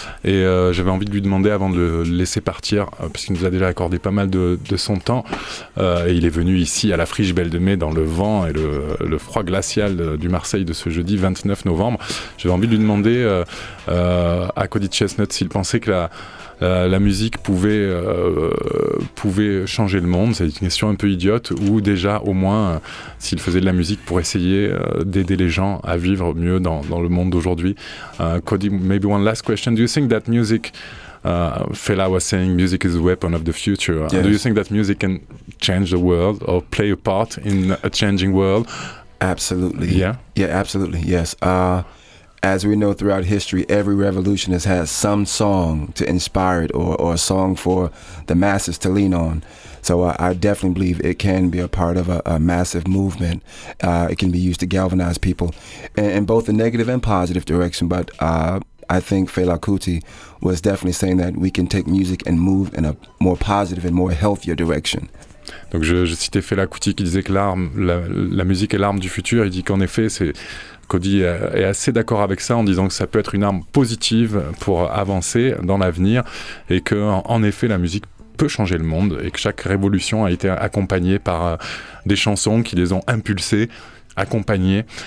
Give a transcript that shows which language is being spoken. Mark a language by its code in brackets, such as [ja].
[fr] Et j'avais envie de lui demander avant de le laisser partir, puisqu'il nous a déjà accordé pas mal de son temps, et il est venu ici à la Friche Belle de Mai dans le vent et le froid glacial du Marseille de ce jeudi 29 novembre, j'avais envie de lui demander à Cody Chestnut s'il pensait que la musique pouvait changer le monde, c'est une question un peu idiote, ou déjà au moins s'il faisait de la musique pour essayer d'aider les gens à vivre mieux dans le monde d'aujourd'hui. [en] Cody, maybe one last question. Do you think that music, Fela was saying music is a weapon of the future. Yes. Do you think that music can change the world or play a part in a changing world? Absolutely. Yeah? Yeah, absolutely, yes. As we know throughout history, every revolution has had some song to inspire it or a song for the masses to lean on. So I definitely believe it can be a part of a massive movement. It can be used to galvanize people in both the negative and positive direction. But I think Fela Kuti was definitely saying that we can take music and move in a more positive and more healthier direction. [fr] Donc je citais Fela Kuti qui disait que la musique est l'arme du futur. Il dit qu'en effet, Cody est assez d'accord avec ça en disant que ça peut être une arme positive pour avancer dans l'avenir et que, en effet, la musique peut changer le monde et que chaque révolution a été accompagnée par des chansons qui les ont impulsées, accompagnées.